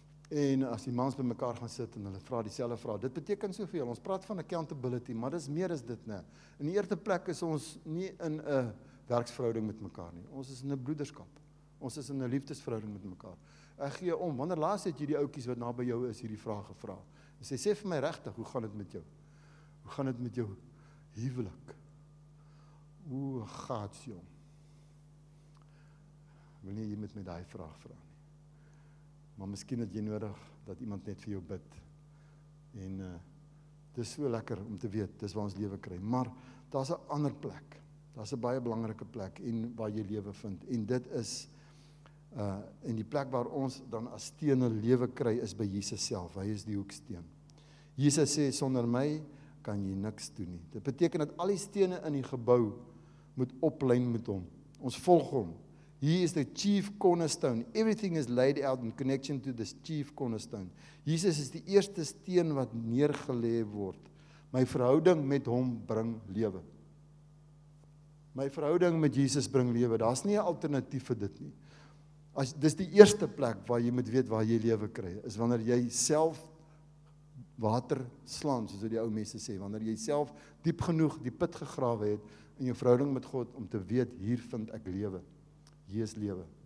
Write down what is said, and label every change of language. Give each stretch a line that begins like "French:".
Afrikaans: En as die mans by mekaar gaan sit en hulle vra dieselfde vraag, dit beteken soveel, ons praat van accountability, maar dis meer as dit, nee. In die eerste plek is ons nie in 'n werksverhouding met mekaar nie, ons is in 'n broederskap, ons is in 'n liefdesverhouding met mekaar. Ek gee om, wanneer laas het jy die oukies wat na by jou is, hierdie vraag gevra, en sê, sê vir my regtig, hoe gaan het met jou? Hoe gaan het met jou huwelik? Hoe gaat het, jong? Wanneer jy met my die vraag vraag? Maar miskien het jy nodig dat iemand net vir jou bid. En dis so lekker om te weet, dis waar ons lewe kry. Maar daar is 'n ander plek. Daar is 'n baie belangrike plek en waar jy lewe vind. En dit is, en die plek waar ons dan as stene lewe kry, is by Jesus self. Hy is die hoeksteen. Jesus sê, sonder my kan jy niks doen nie. Dit beteken dat al die stene in die gebou moet oplyn met hom. Ons volg hom.
English: He is the chief cornerstone. Everything is laid out in connection to this chief cornerstone.
Afrikaans: Jesus is die eerste steen wat neergelê word. My verhouding met hom bring lewe. My verhouding met Jesus bring lewe. Daar's nie 'n alternatief vir dit nie. As dis die eerste plek waar jy moet weet waar jy lewe kry, is wanneer jy self water slaan, soos die ou mense sê, wanneer jy self diep genoeg die put gegrawe het in jou verhouding met God om te weet hier vind ek lewe. Hier is lewe.